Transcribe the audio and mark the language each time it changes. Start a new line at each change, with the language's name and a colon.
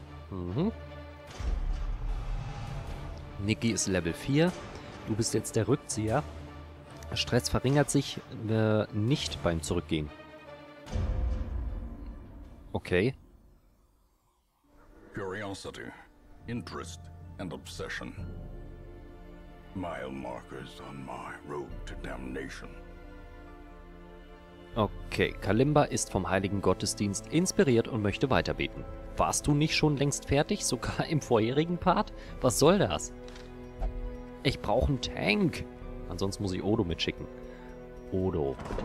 German: Mhm. Niki ist Level 4. Du bist jetzt der Rückzieher. Stress verringert sich nicht beim Zurückgehen. Okay.
English: Curiosity, Interest and Obsession. Mile markers on my road to damnation.
German: Okay, Kalimba ist vom Heiligen Gottesdienst inspiriert und möchte weiterbeten. Warst du nicht schon längst fertig, sogar im vorherigen Part? Was soll das? Ich brauche einen Tank. Ansonsten muss ich Odo mitschicken. Odo.